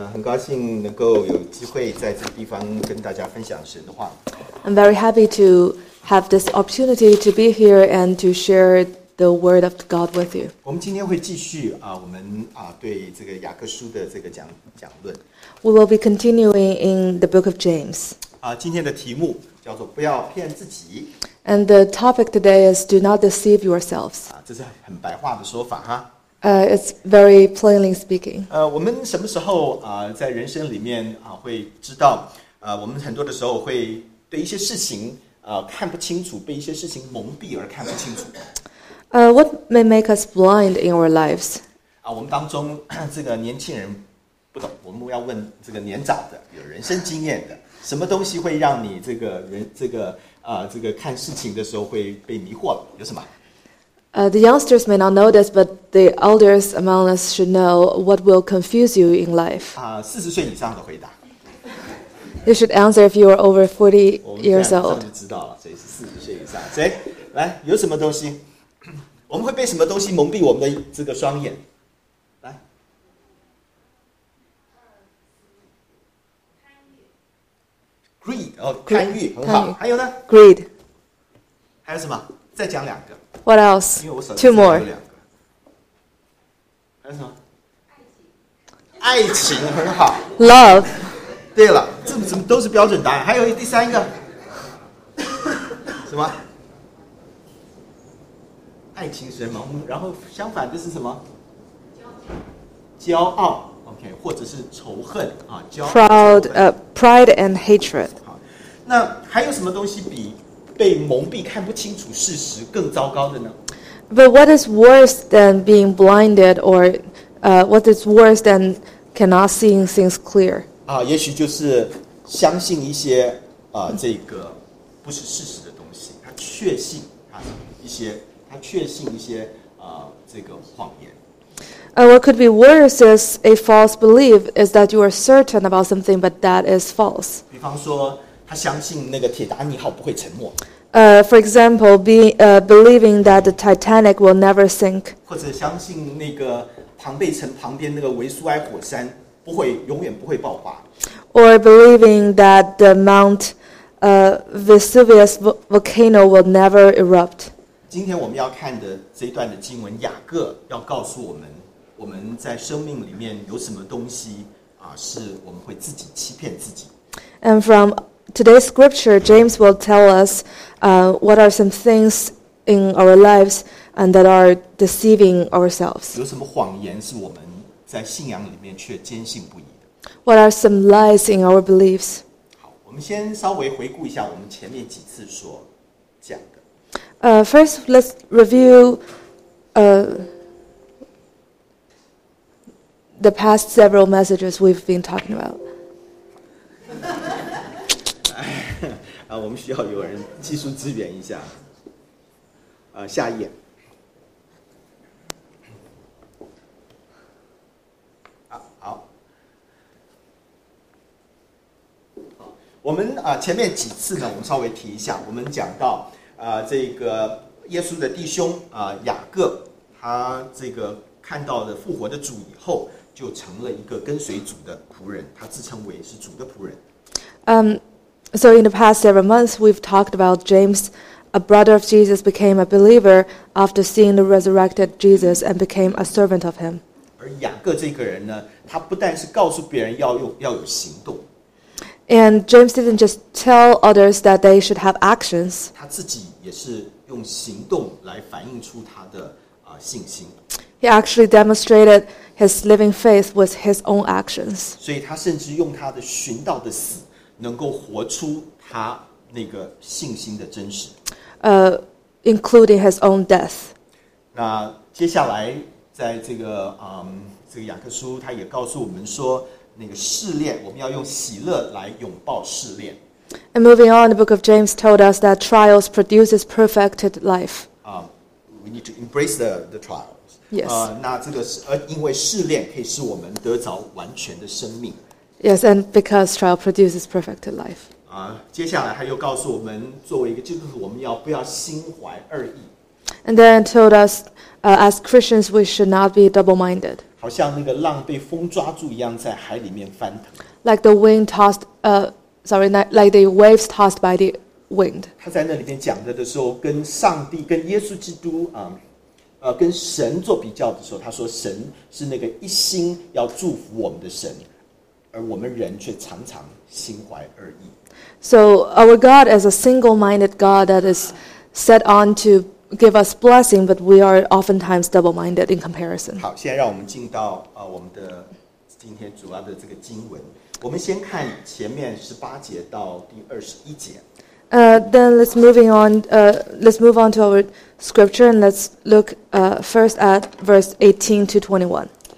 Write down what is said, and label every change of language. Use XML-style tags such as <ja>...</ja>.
<zh>很高兴能够有机会在这个地方跟大家分享神的话。</zh> <en>I'm very happy to have this opportunity to be here and to share the word of God with you.</en> <zh>我们今天会继续我们对这个雅各书的这个讲论。</zh> <en>We will be continuing in the book of James.</en> <zh>今天的题目叫做不要骗自己。</zh> <en>And the topic today is do not deceive yourselves.</en> <zh>这是很白话的说法哈。</zh> <en>It's very plainly speaking.</en> <zh>我们什么时候在人生里面会知道我们很多的时候会对一些事情看不清楚，被一些事情蒙蔽而看不清楚。</zh> <en>What may make us blind in our lives?</en> <zh>我们当中这个年轻人不懂，我们要问这个年长的有人生经验的，什么东西会让你这个人这个看事情的时候会被迷惑了？有什么？</zh> <en>The youngsters may not know this, but the elders among us should know what will confuse you in life.</en> <zh>40岁以上的回答。</zh> <en>You should answer if you are over 40 years old.</en> <zh>我们这样就知道了，谁是40岁以上？谁？来，有什么东西？我们会被什么东西蒙蔽我们的这个双眼？来，贪欲，很好。还有呢</zh> <en>？Greed。</en> <zh>还有什么？再讲两个。</zh> <en>What else? Two more.</en> <zh>还有什么？爱情很好。</zh> <en>Love.</en> <zh>对了，这怎么都是标准答案？还有第三个，什么？爱情是盲目，然后相反的是什么？骄傲。 OK， 或者是仇恨啊，骄傲。</zh> <en>Proud, pride and hatred.</en> <zh>好，那还有什么东西比？被蒙蔽看不清楚事实更糟糕的呢？</zh> <en>But what is worse than being blinded or what is worse than cannot seeing things clear?</en> <zh>也许就是相信一些这个不是事实的东西，他确信一些这个谎言。</zh> <en>What could be worse is a false belief is that you are certain about something but that is false.</en> <zh>比方说他相信那个铁达尼号不会沉没。</zh> <en>For example, believing that the Titanic will never sink.</en> <zh>或者相信那个庞贝城旁边那个维苏埃火山不会永远不会爆发。</zh> <en>Or believing that the Mount Vesuvius volcano will never erupt.</en> <zh>今天我们要看的这一段的经文，雅各要告诉我们，我们在生命里面有什么东西是我们会自己欺骗自己。</zh> <en>And from today's scripture, James will tell us what are some things in our lives and that are deceiving ourselves.</en> <zh>有什么谎言是我们在信仰里面却坚信不疑的？</zh> <en>What are some lies in our beliefs?</en> <zh>好，我们先稍微回顾一下我们前面几次所讲的。</zh> <en>First, let's review the past several messages we've been talking about.</en> <zh>我们需要有人技术支援一下。下一页。好。我们前面几次呢，我们稍微提一下，我们讲到这个耶稣的弟兄雅各，他这个看到了复活的主以后，就成了一个跟随主的仆人，他自称为是主的仆人。</zh> <en>So in the past several months, we've talked about James, a brother of Jesus, became a believer after seeing the resurrected Jesus and became a servant of him.</en> <zh>而雅各这个人呢，他不但是告诉别人要有行动。</zh> <en>And James didn't just tell others that they should have actions.</en> <zh>他自己也是用行动来反映出他的信心。</zh> <en>He actually demonstrated his living faith with his own actions.</en> <zh>所以他甚至用他的殉道的死能够活出他那个信心的真实。</zh> <en>Including his own death.</en> <zh>那接下来在这个雅各书他也告诉我们说，那个试炼我们要用喜乐来拥抱试炼。</zh> <en>And moving on, the book of James told us that trials produces perfected life. We need to embrace the trials. Yes.</en> <zh>那这个是因为试炼可以使我们得着完全的生命。</zh> <en>Yes, and because trial produces perfect life.</en> <zh>接下来他又告诉我们，作为一个基督徒，我们要不要心怀二意</zh> <en>？And then told us, as Christians, we should not be double-minded.</en> <zh>好像那个浪被风抓住一样在海里面翻腾。</zh> <en>Like the wind tossed, like the waves tossed by the wind.</en> <zh>他在那里面讲的时候，跟上帝、跟耶稣基督啊，跟神做比较的时候，他说神是那个一心要祝福我们的神，而我们人却常常心怀二意。</zh> <en>So our God is a single-minded God that is set on to give us blessing, but we are oftentimes double-minded in comparison.</en> <zh>好，现在让我们进到我们的今天主要的这个经文。我们先看前面十八节到第二十一节。</zh> <en>Then let's moving on. Let's move on to our scripture and let's look first at verse 18 to 21.</en>